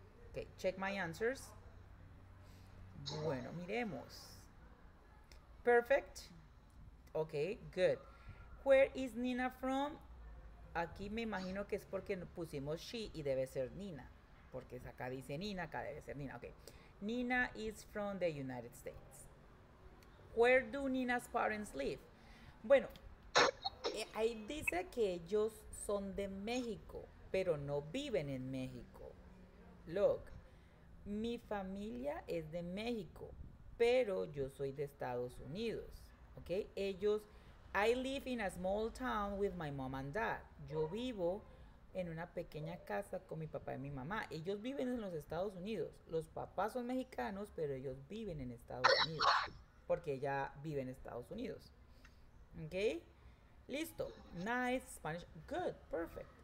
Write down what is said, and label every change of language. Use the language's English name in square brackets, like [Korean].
[English] Okay, check my answers. [Spanish] Bueno, miremos. [English] Perfect. Okay, good. Where is Nina from? [Spanish] Aquí me imagino que es porque pusimos she y debe ser Nina. Porque acá dice Nina, acá debe ser Nina. Okay. [English] Nina is from the United States. Where do Nina's parents live? Bueno. [Spanish] ahí dice que ellos son de México, pero no viven en México. Look, mi familia es de México, pero yo soy de Estados Unidos. [English] Okay, ellos, I live in a small town with my mom and dad. [Spanish] Yo vivo en una pequeña casa con mi papá y mi mamá. Ellos viven en los Estados Unidos. Los papás son mexicanos, pero ellos viven en Estados Unidos. Porque ella vive en Estados Unidos. ¿Ok? Listo. [English] Nice. Spanish. Good. Perfect.